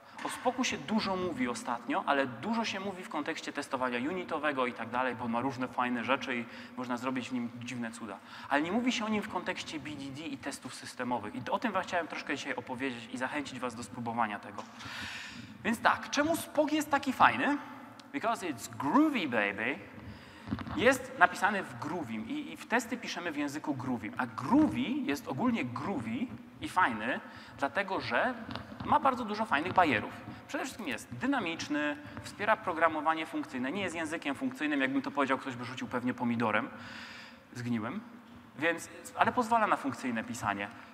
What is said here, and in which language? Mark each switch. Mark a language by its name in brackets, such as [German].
[Polish] O Spocku się dużo mówi ostatnio, ale dużo się mówi w kontekście testowania unitowego i tak dalej, bo on ma różne fajne rzeczy i można zrobić w nim dziwne cuda. Ale nie mówi się o nim w kontekście BDD i testów systemowych. I o tym wam chciałem troszkę dzisiaj opowiedzieć i zachęcić was do spróbowania tego. Więc tak, czemu Spock jest taki fajny? [English] Because it's groovy, baby. [Polish] Jest napisany w Groovim i w testy piszemy w języku Groovim. A Groovy jest ogólnie groovy i fajny, dlatego że ma bardzo dużo fajnych bajerów. Przede wszystkim jest dynamiczny, wspiera programowanie funkcyjne, nie jest językiem funkcyjnym, jakbym to powiedział, ktoś by rzucił pewnie pomidorem zgniłym, więc, ale pozwala na funkcyjne pisanie.